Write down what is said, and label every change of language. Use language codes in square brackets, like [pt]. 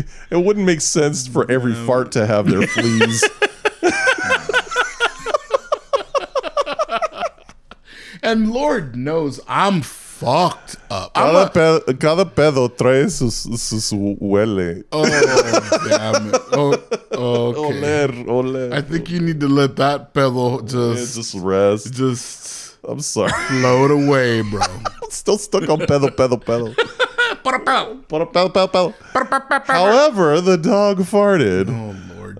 [en] It wouldn't make sense for every fart to have their fleas. And Lord knows I'm fucked up. [es] Cada pedo trae sus huele. [en] Oh, damn it. Okay. [es] Oler. [en] I think you need to let that pedo just rest. Just. I'm sorry. Float away, bro. Still stuck on pedo, pedo, pedo. Put a pedo. Put a pedo, pedo, pedo. Put a pedo, pedo, pedo. However, the dog farted. Oh, Lord.